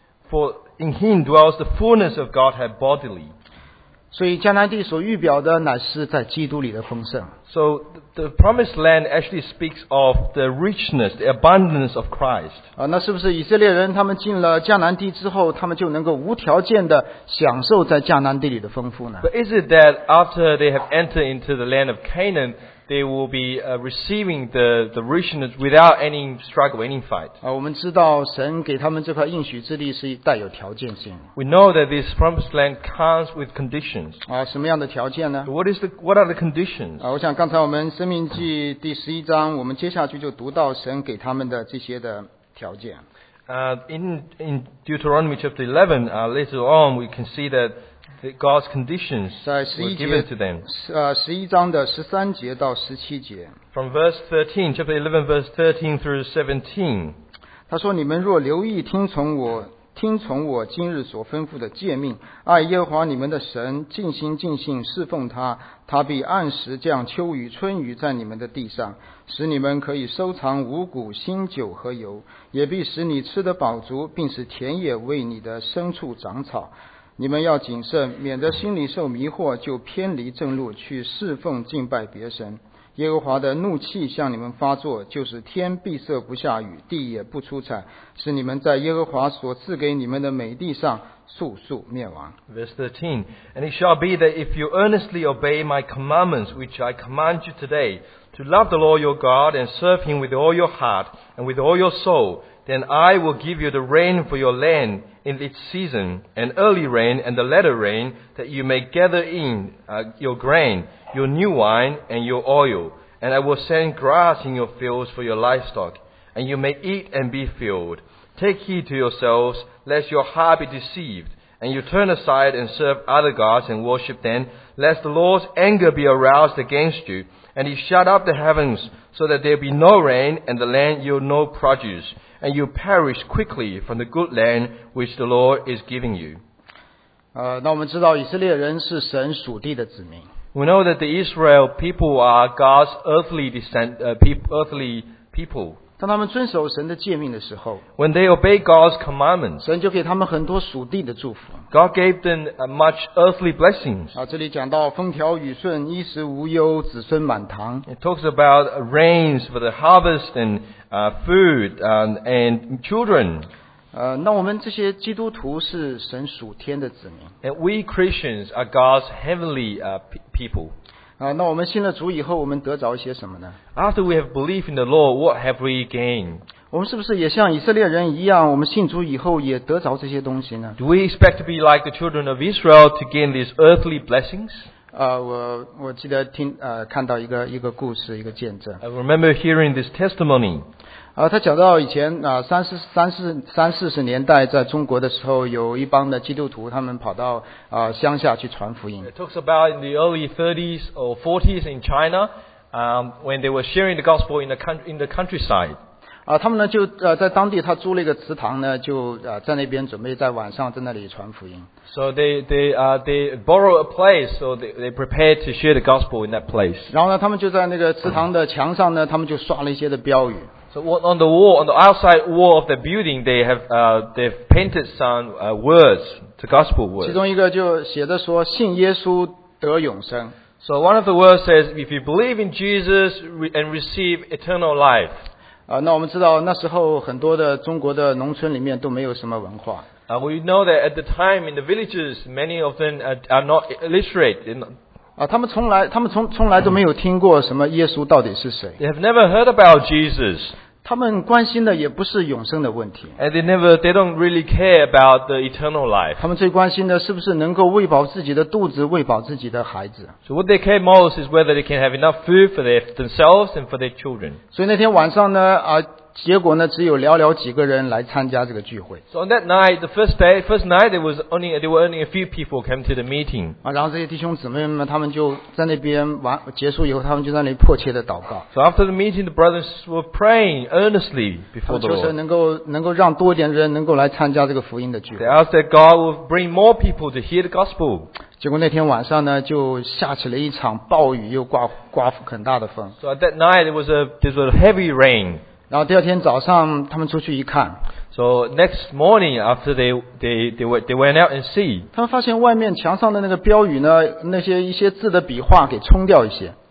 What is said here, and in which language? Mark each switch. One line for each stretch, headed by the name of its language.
English: For in him dwells the fullness of Godhead bodily.
Chinese: 所以迦南地所预表的乃是在基督里的丰盛。
English: So the promised land actually speaks of the richness, the abundance of Christ.
Chinese: 那是不是以色列人他们进了迦南地之后，他们就能够无条件的享受在迦南地里的丰富呢？
English: But is it that after they have entered into the land of Canaan,They will be receiving the richness without any struggle, any fight.
Chinese: 我们知道神给他们这块应许之地是带有条件性。
English: We know that this promised land comes with conditions.
Chinese: 什么样的条件呢？
English: What are the conditions?
Chinese: 我想刚才我们生命记第十一章，我们接下去就读到神给他们的这些的条件。
English: In Deuteronomy chapter 11, later on we can see that. God's conditions were given to them.
Chinese: 十一章的十三节到十七节。 From verse 13, chapter 11, verse 13 through 17. 他说：“你们若留意听从我听从我今日所吩咐的诫命，爱耶和华你们的神，尽心尽性侍奉他，他必按时降秋雨春雨在你们的地上，使你们可以收藏五谷新酒和油，也必使你吃得饱足，并使田野为你的牲畜长草。你们要谨慎，免得心里受迷惑，就偏离正路，去侍奉敬拜别神。耶和华的怒气向你们发作，就是天闭塞不下雨，地也不出产，使你们在耶和华所赐给你们的美地上速速灭亡。
English: Verse 13, and it shall be that if you earnestly obey my commandments, which I command you today, to love the Lord your God and serve him with all your heart and with all your soul, then I will give you the rain for your land in its season, an early rain and the latter rain, that you may gather in your grain, your new wine and your oil, and I will send grass in your fields for your livestock, and you may eat and be filled. Take heed to yourselves, lest your heart be deceived, and you turn aside and serve other gods and worship them, lest the Lord's anger be aroused against you, and he shut up the heavens, so that there be no rain, and the land yield no produce, and you perish quickly from the good land which the Lord is giving you.
Chinese: 那我们知道以色列人是神属地的子民。
English: We know that the Israel people are God's earthly descent, earthly people.
Chinese: 当他们遵守神的诫命的时候，
English: When they obey God's commandments,
Chinese: 神就给他们很多属地的祝福。
English: God gave them much earthly blessings.
Chinese: 这里讲到风调雨顺，衣食无忧，子孙满堂。
English: It talks about rains for the harvest and food and children.
Chinese: 那我们这些基督徒是神属天的子民。
English: And we Christians are God's heavenly people.
Chinese: 那我们信了主以后，我们得着一些什么呢？
English: After we have belief in the Lord, what have we gained?
Chinese: 我们是不是也像以色列人一样，我们信主以后也得着这些东西呢？
English: Do we expect to be like the children of Israel to gain these earthly blessings?
Chinese: 我记得听看到一个故事，一个见证。
English: I remember hearing this testimony.
Chinese: 他讲到以前三四十年代在中国的时候，有一帮的基督徒，他们跑到乡下去传福音。
English: It talks about in the early 30s or 40s in China, when they were sharing the gospel in the countryside.
Chinese: 他们呢就在当地，他租了一个祠堂呢，就在那边准备在晚上在那里传福音。
English: So they borrow a place, so they prepare to share the gospel in that place.
Chinese: 然后呢，他们就在那个祠堂的墙上呢，他们就刷了一些的标语。
English: So on the wall, on the outside wall of the building, they've painted some words, the gospel words.
Chinese: 其中一个就写着说，信耶稣得永生。
English: So one of the words says, if you believe in Jesus and receive eternal life.
Chinese: 那我们知道那时候很多的中国的农村里面都没有什么文化。
English: We know that at the time in the villages, many of them are not literate.
Chinese: 他们从来都没有听过什么耶稣到底是谁。
English: They have never heard about Jesus.
Chinese: 他们关心的也不是永生的问题。
English: And they don't really care about the eternal life.
Chinese: 他们最关心的是不是能够喂饱自己的肚子，喂饱自己的孩子。
English: So what they care most is whether they can have enough food for themselves and for their children.
Chinese: 所以那天晚上呢，结果呢，只有寥寥几个人来参加这个聚会。
English: So on that night, the first night, there were only a few people came to the meeting.
Chinese: 然后这些弟兄姊妹们，他们就在那边完结束以后，他们就在那里迫切的祷告。
English: So after the meeting, the brothers were praying earnestly before the Lord.
Chinese: 求神能够让多一点人能够来参加这个福音的聚会。
English: They asked that God would bring more people to hear the gospel.
Chinese: 结果那天晚上呢，就下起了一场暴雨，又刮很大的风。
English: So at that night, there was a heavy rain.
Chinese: 然后第二天早上他们出去一看。
English: So next morning after they went out and see.
Chinese: 他们发现外面墙上的那个标语呢，那些一些字的笔画给冲掉一些。